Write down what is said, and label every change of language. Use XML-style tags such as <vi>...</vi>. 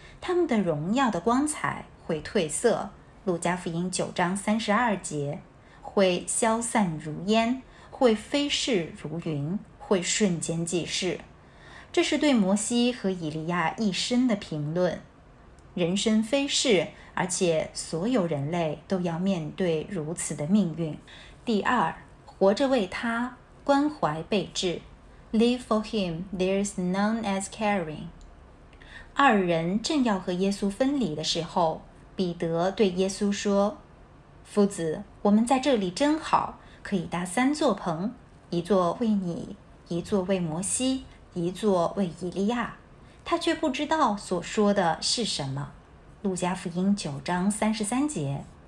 <zh>他们的荣耀的光彩会褪色，路加福音9:32，会消散如烟，会飞逝如云，会瞬间即逝。这是对摩西和以利亚一生的评论。人生飞逝，而且所有人类都要面对如此的命运。第二，活着为他，关怀备至。</zh> <en>Live for him, there is none as caring.</en> <zh>二人正要和耶稣分离的时候，彼得对耶稣说，夫子，我们在这里真好，可以搭三座棚，一座为你，一座为摩西，一座为以利亚。他却不知道所说的是什么。路加福音9:33。</zh>